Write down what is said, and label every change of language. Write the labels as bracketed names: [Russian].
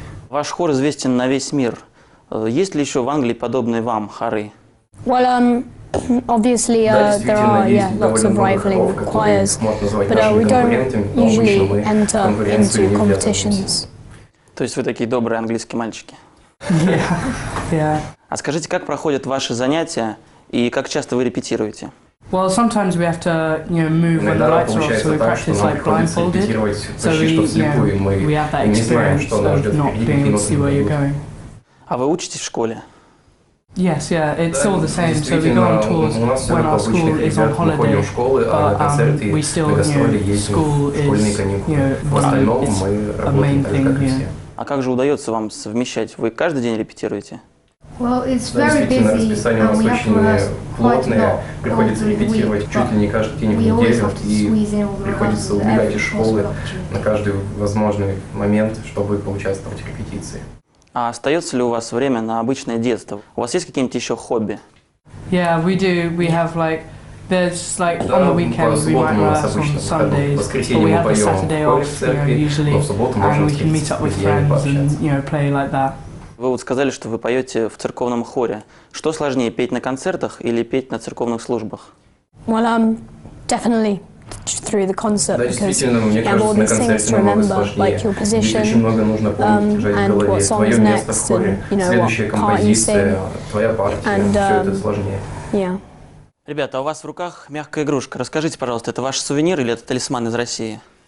[Russian] Ваш хор известен на весь мир. Есть ли еще в Англии подобные вам хоры? [English] Well, obviously, there are lots of rivaling choirs, but we don't usually enter into competitions. [Russian] То есть вы такие добрые английские мальчики. [English] Yeah, yeah. [Russian] А скажите, как проходят ваши занятия и как часто вы репетируете? [English] Well, sometimes we have to, you know, move when the lights are off, so we practice like blindfolded. So we have that experience of not being able to see where you're going. [Russian] А вы учитесь в школе? [English] Yes, yeah, it's all the same. So we go on tours when our school is on holiday, but we still, you know, school is, you know, it's a main thing here. [Russian] А как же удается вам совмещать? Вы каждый день репетируете? [English] Well, it's very busy, and we have to rehearse quite a lot during the week. [Russian] Приходится репетировать чуть ли не каждый день в неделю, и приходится убегать из школы на каждый возможный момент, чтобы поучаствовать в репетиции. А остается ли у вас время на обычное детство? У вас есть какие-нибудь еще хобби? [English] Yeah, we do. We have like, there's like on the weekends we might rehearse on Sundays, but we have the Saturday off, you know, usually, and we can meet up with friends and, you know, play like that. [Russian] Вы вот сказали, что вы поете в церковном хоре. Что сложнее, петь на концертах или петь на церковных службах? [English] Well, definitely. Through the concert, because you have all these things to remember, like your position, and what song is next, and you know what part you sing, and yeah. [Russian] Ребята, у вас в руках мягкая игрушка. Расскажите, пожалуйста, это ваш сувенир или это талисман из России?